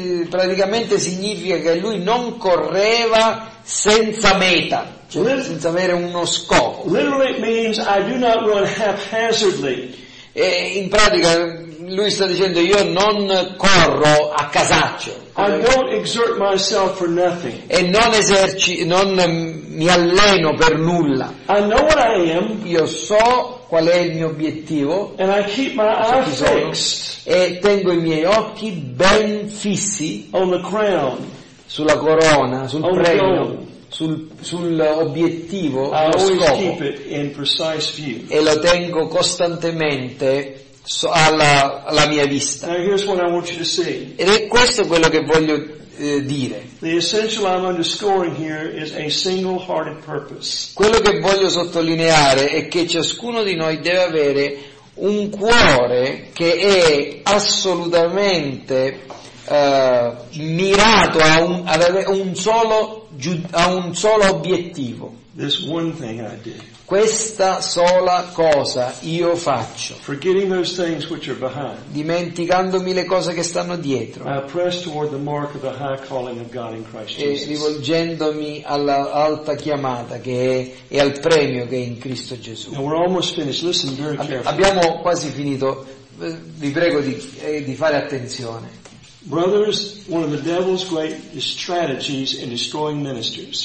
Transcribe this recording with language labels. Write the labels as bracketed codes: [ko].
[it] Praticamente significa che lui non correva senza meta, cioè senza avere uno scopo. [en] Literally it means I do not run haphazardly. [it] E in pratica lui sta dicendo io non corro a casaccio. [en] I don't exert myself for nothing. [it] E non mi alleno per nulla. [en] I know what I am. [it] Io so qual è il mio obiettivo. [en] And I keep my eye fixed. [it] E tengo i miei occhi ben fissi. [en] On the crown. [it] Sulla corona, sul premio. Sull'obiettivo, lo scopo. [en] Keep it in precise view. [it] E lo tengo costantemente alla mia vista. [en] Now here's what I want you to see. [it] Ed è questo quello che voglio dire. [en] The essential I'm underscoring here is a single-hearted purpose. [it] Quello che voglio sottolineare è che ciascuno di noi deve avere un cuore che è assolutamente mirato a un solo obiettivo. [en] This one thing I did. [it] Questa sola cosa io faccio. [en] Forgetting those things which are behind. [it] Dimenticandomi le cose che stanno dietro. [en] I press toward the mark of the high calling of God in Christ Jesus. [it] E rivolgendomi all'alta chiamata che è e al premio che è in Cristo Gesù. [en] Now we're almost finished. Listen very carefully. [it] Abbiamo quasi finito. Vi prego di fare attenzione. [en] Brothers, one of the devil's great strategies in destroying ministers.